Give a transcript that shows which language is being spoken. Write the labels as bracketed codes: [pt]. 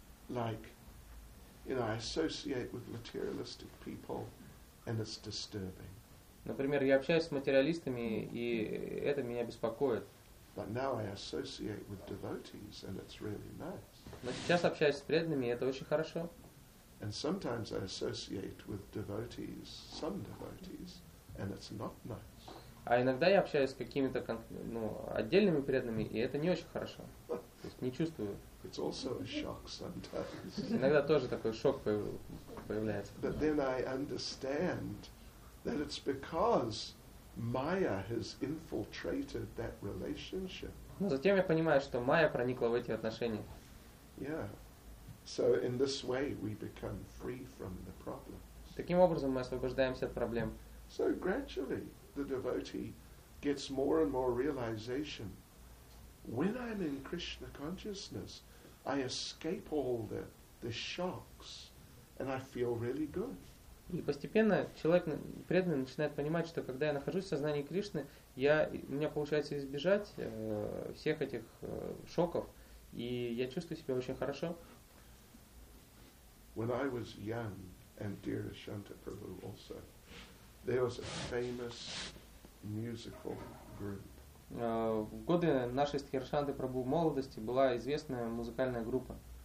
[en] Like, you know, I associate with materialistic people, and it's disturbing. [ru] Например, я общаюсь с материалистами, и это меня беспокоит. [en] But now I associate with devotees, and it's really nice. [ru] Но сейчас общаюсь с преданными, и это очень хорошо. [en] And sometimes I associate with devotees, some devotees, and it's not nice. [ru] А иногда я общаюсь с какими-то отдельными преданными, и это не очень хорошо. То есть не чувствую. [en] It's also a shock sometimes. [ru] Иногда тоже такой шок появляется. [en] But then I understand that it's because Maya has infiltrated that relationship. [ru] Но затем я понимаю, что Майя проникла в эти отношения. [en] Yeah. So in this way we become free from the problems. [ru] Таким образом мы освобождаемся от проблем. [en] So gradually the devotee gets more and more realization. When I'm in Krishna consciousness, I escape all the shocks and I feel really good. [ru] И постепенно человек преданный начинает понимать, что когда я нахожусь в сознании Кришны, у меня получается избежать всех этих шоков, и я чувствую себя очень хорошо. [en] When I was young, and dear Ashanta Prabhu also, there was a famous musical group. [ru] В годы нашей с Хиршанты Прабху молодости была известная музыкальная группа.